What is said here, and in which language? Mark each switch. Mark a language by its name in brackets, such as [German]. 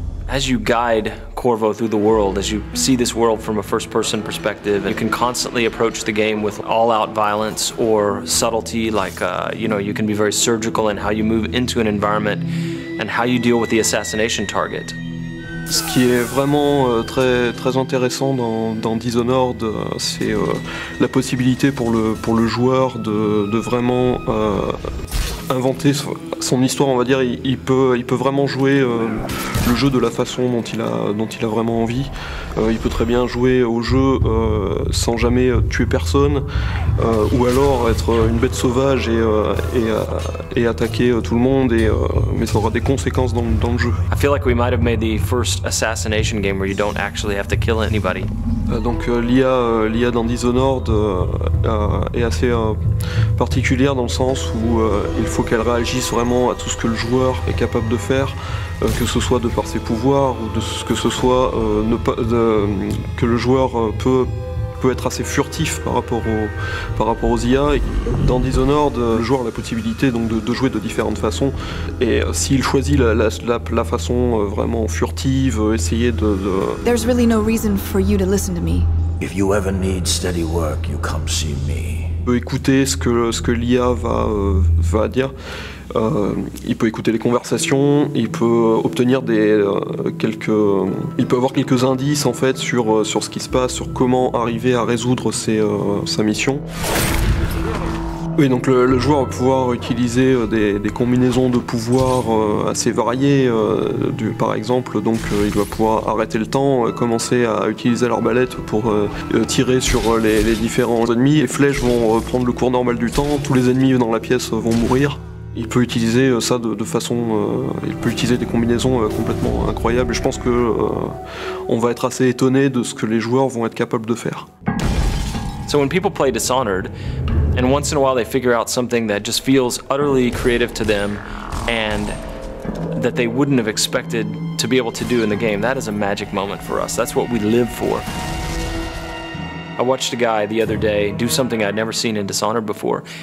[English] As you guide Corvo through the world, as you see this world from a first-person perspective, you can constantly approach the game with all-out violence or subtlety, like, you know, you can be very surgical in how you move into an environment and how you deal with the assassination target. [French] Ce qui est vraiment très très intéressant dans Dishonored, c'est la possibilité pour le joueur de vraiment inventer son histoire, on va dire. Il peut vraiment jouer le jeu de la façon dont il a vraiment envie. Il peut très bien jouer au jeu sans jamais tuer personne, ou alors être une bête sauvage et attaquer tout le monde, mais ça aura des conséquences dans le jeu. [English] I feel like we might have made the first assassination game where you don't actually have to kill anybody. [French] Donc l'IA dans Dishonored est assez particulière dans le sens où il faut qu'elle réagisse vraiment à tout ce que le joueur est capable de faire, que ce soit de par ses pouvoirs ou que le joueur peut peut être assez furtif par rapport aux IA. Dans Dishonored, le joueur a la possibilité donc de jouer de différentes façons. Et s'il choisit la façon vraiment furtive, essayer de... [English] There's really no reason for you to listen to me. If you ever need steady work, you come see me. [French] Écouter ce que l'IA va dire. Il peut écouter les conversations, il peut obtenir quelques indices en fait sur ce qui se passe, sur comment arriver à résoudre sa mission. Oui, donc le joueur va pouvoir utiliser des combinaisons de pouvoirs assez variées. Par exemple, donc il va pouvoir arrêter le temps, commencer à utiliser l'arbalète pour tirer sur les différents ennemis. Les flèches vont prendre le cours normal du temps, tous les ennemis dans la pièce vont mourir. Il peut utiliser ça de façon... il peut utiliser des combinaisons complètement incroyables. Je pense que on va être assez étonné de ce que les joueurs vont être capables de faire. [English] So when people play Dishonored, and once in a while they figure out something that just feels utterly creative to them and that they wouldn't have expected to be able to do in the game, that is a magic moment for us. That's what we live for. I watched a guy the other day do something I'd never seen in Dishonored before.